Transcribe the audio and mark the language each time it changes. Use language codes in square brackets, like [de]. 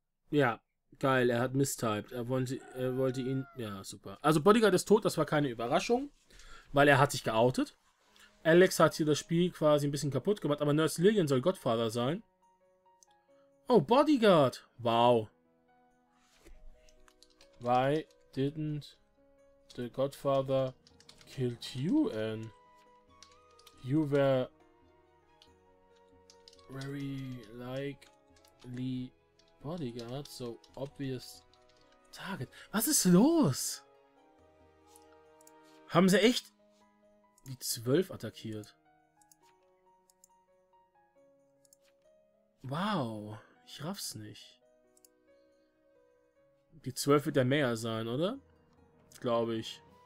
[de] Ja, geil, er hat mistyped. Er wollte ihn. Ja, super. Also Bodyguard ist tot, das war keine Überraschung, weil er hat sich geoutet. Alex hat hier das Spiel quasi ein bisschen kaputt gemacht, aber Nurse Lillian soll Godfather sein. Oh, Bodyguard! Wow. [en] Why didn't the Godfather killed you, Anne? You were very likely Bodyguard, so obvious target. [de] Was ist los? Haben sie echt die 12 attackiert? Wow, ich raff's nicht. Die 12 wird der Mayor sein, oder? Glaube ich.